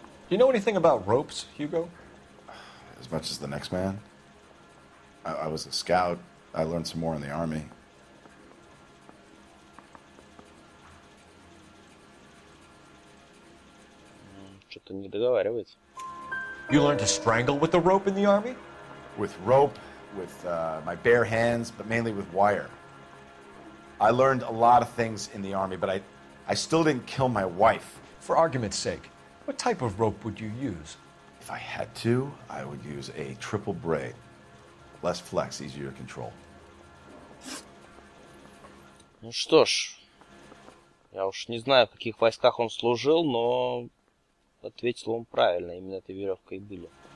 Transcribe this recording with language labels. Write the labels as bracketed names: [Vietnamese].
[English] Do you know anything about ropes, Hugo? As much as the next man. I was a scout. I learned some more in the army. [Russian] Что-то не договаривается. [English] You learned to strangle with the rope in the army? With rope? With my bare hands, but mainly with wire. I learned a lot of things in the army, but I still didn't kill my wife. For argument's sake, what type of rope would you use? If I had to, I would use a triple braid. Less flex, easier to control. [Russian] Ну что ж, я уж не знаю, в каких войсках он служил, но ответил он правильно, именно этой веревкой и были.